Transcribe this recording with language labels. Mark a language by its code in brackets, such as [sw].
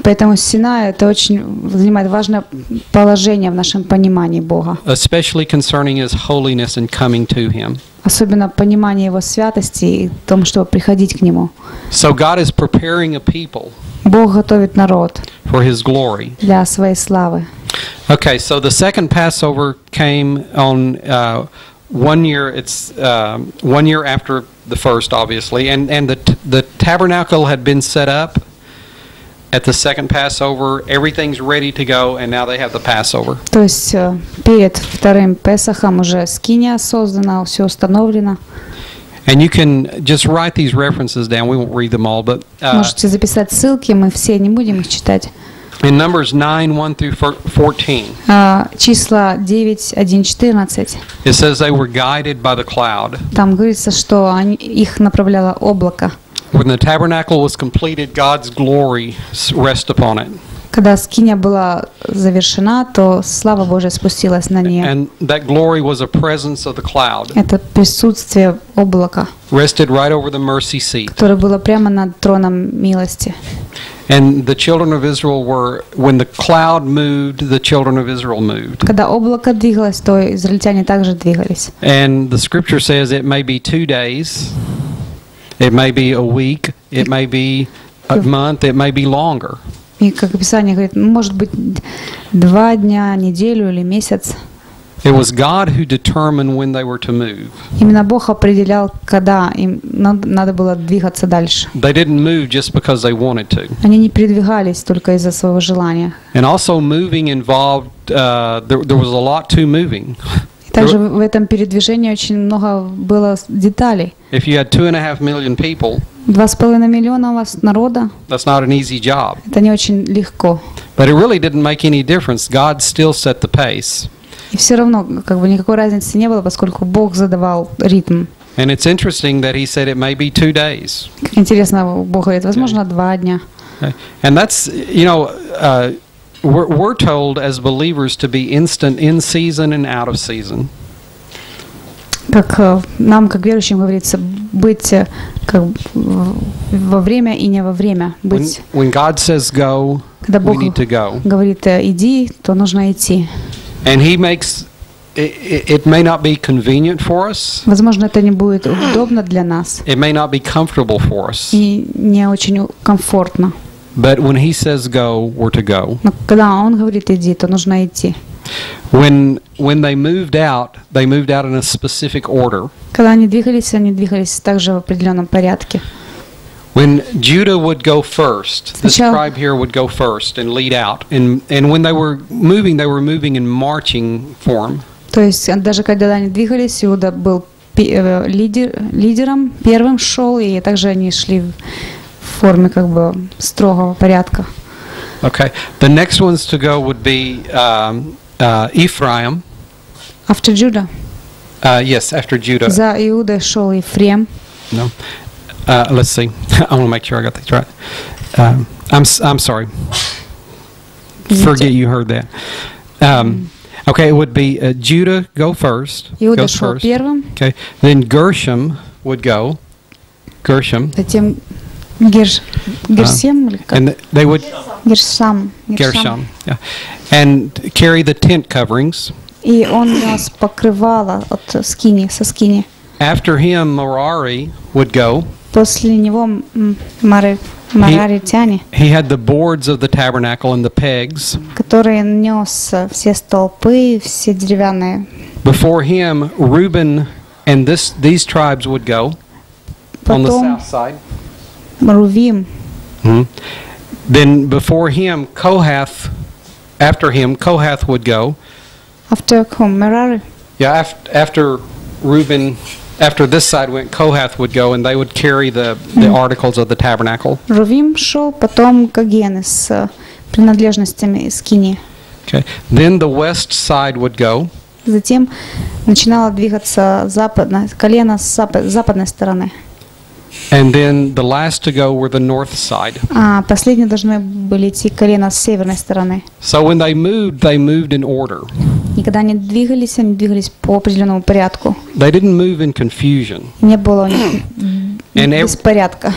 [ru] Поэтому Синай это очень занимает важное положение в нашем понимании Бога. [en] Especially concerning His holiness and coming to Him. [ru] Особенно понимание Его святости и том, чтобы приходить к Нему. [en] So God is preparing a people. [ru] Бог готовит народ [en] for His glory. [ru] Для Своей славы. [en] Okay, so the second Passover came on one year after the first, obviously, and the tabernacle had been set up at the second Passover. Everything's ready to go, and now they have the Passover. [ru] То есть перед вторым Песахом уже скиния создана, все установлено. [en] And you can just write these references down. We won't read them all, but [ru] можете записать ссылки, мы все не будем их читать. [en] In Numbers 9:1-14. [ru] Числа 9:1-14. [en] It says they were guided by the cloud. [ru] Там говорится, что их направляло облако. [en] When the tabernacle was completed, God's glory rest upon it. [ru] Когда скиния была завершена, то слава Божия спустилась на нее. [en] And that glory was a presence of the cloud. [ru] Это присутствие облака. [en] Rested right over the mercy seat. [ru] Которое было прямо над троном милости. [en] And the children of Israel were when the cloud moved, the children of Israel moved. [ru] Когда облако двигалось, то израильтяне также двигались. [en] And the scripture says it may be 2 days, it may be a week, it may be a month, it may be longer. [ru] И как Писание говорит, может быть 2 дня, неделю или месяц. [en] It was God who determined when they were to move. [ru] Именно Бог определял, когда им надо было двигаться дальше. [en] They didn't move just because they wanted to. [ru] Они не передвигались только из-за своего желания. [en] And also moving involved there was a lot to moving. [ru] Также в этом передвижении очень много было деталей. [en] If you had 2.5 million people. [ru] 2.5 миллиона у вас народа. [en] That's not an easy job. [ru] Это не очень легко. [en] But it really didn't make any difference. God still set the pace. [ru] И все равно, как бы никакой разницы не было, поскольку Бог задавал ритм. [en] And it's interesting that he said it may be 2 days. [ru] Интересно, Бог говорит, возможно, 2 дня. [en] And that's, you know, we're told as believers to be instant in season and out of season. [ru] Как нам, как верующим, говорится, быть как во время и не во время, быть. [en] When God says go, we need to go. [ru] Говорит, иди, то нужно идти. [en] And he makes it may not be convenient for us. [ru] Возможно, это не будет удобно для нас. [en] It may not be comfortable for us. [ru] И не очень комфортно. [en] But when he says go, we're to go. [ru] Но когда он говорит иди, то нужно идти. [en] When they moved out in a specific order. [ru] Когда они двигались также в определенном порядке. [en] When Judah would go first, the tribe here would go first and lead out, and when they were moving in marching form. [ru] То есть даже когда они двигались, Иуда был лидером, первым шел, и также они шли в форме как бы строгого порядка. [en] Okay, the next ones to go would be Ephraim. After Judah. Yes, after Judah. [ru] За Иуда шел Ефрем. [en] No. Let's see. I want to make sure I got this right. I'm sorry. Forget you heard that. Okay, it would be Judah go first. [ru] Иуда шел первым. [en] Okay, then Gershom would go. Gershom. [ru] Затем Гершем. [en] And they would. [ru] Гершам. [en] Гершам. Yeah. And carry the tent coverings. [ru] И он нас покрывало от скини со скини. [en] After him, Merari would go. [ru] После него Мараритяне. [en] He had the boards of the tabernacle and the pegs. [ru] Который нёс все столпы, все деревянные. [en] Before him, Reuben and these tribes would go. [ru] Потом, [en] on the south side. [ru] Рувим. [en] Mm-hmm. Then before him, Kohath. After him, Kohath would go. After whom? Merari. Yeah, after Reuben. After this side went, Kohath would go, and they would carry the articles of the tabernacle. [ru] Рувим шел, потом Когены с принадлежностями из скинии. [en] Okay. Then the west side would go. [ru] Затем начинало двигаться западное колено с западной стороны. [en] And then the last to go were the north side. [ru] А последние должны были идти колено с северной стороны. [en] So when they moved in order. [ru] И когда они двигались по определенному порядку. [en] They didn't move in confusion. [ru] Не было у них беспорядка.